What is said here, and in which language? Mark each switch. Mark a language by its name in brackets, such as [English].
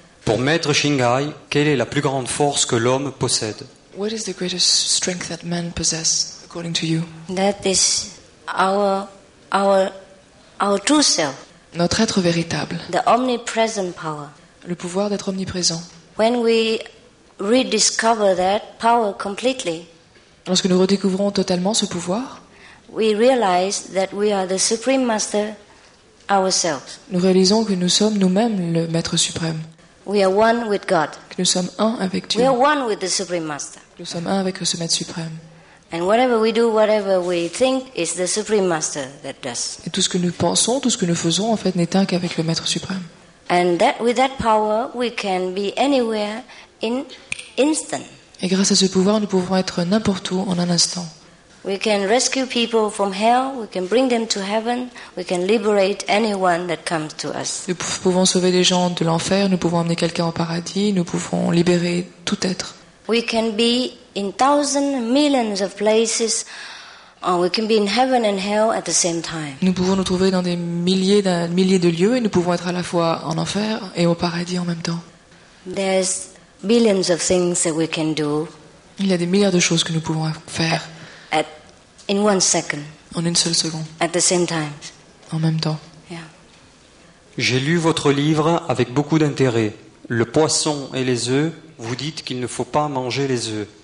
[French] Pour Maître Shingai, quelle est la plus grande force que l'homme possède? [English] What is the greatest strength that man possess, according to you? That is our true self. [French] Notre être véritable. [English] The omnipresent power. [French] Le pouvoir d'être omniprésent. [English] When we rediscover that power completely. [French] Lorsque nous redécouvrons totalement ce pouvoir. [English] We realize that we are the Supreme Master ourselves. [French] Nous réalisons que nous sommes nous-mêmes le Maître Suprême. [English] We are one with God. [French] Que nous sommes un avec Dieu. [English] We are one with the Supreme Master. [French] Nous sommes un avec ce Maître Suprême. [English] And whatever we do, whatever we think, is the Supreme Master that does. [French] Et tout ce que nous pensons, tout ce que nous faisons, en fait, n'est un qu'avec le Maître Suprême. [English] And that with that power, we can be anywhere in instant. [French] Et grâce à ce pouvoir, nous pouvons être n'importe où en un instant. [English] We can rescue people from hell, we can bring them to heaven, we can liberate anyone that comes to us. [French] Nous pouvons sauver des gens de l'enfer, nous pouvons amener quelqu'un au paradis, nous pouvons libérer tout être. [English] We can be in thousands, millions of places, or we can be in heaven and hell at the same time. [French] Nous pouvons nous trouver dans des milliers de lieux et nous pouvons être à la fois en enfer et au paradis en même temps. [English] There's billions of things that we can do. [French] Il y a des milliards de choses que nous pouvons faire. [English] In 1 second. [French] En une seule seconde. [English] At the same time. [French] En même temps. [English] Yeah. [French] J'ai lu votre livre avec beaucoup d'intérêt. Le poisson et les œufs. Vous dites qu'il ne faut pas manger les œufs.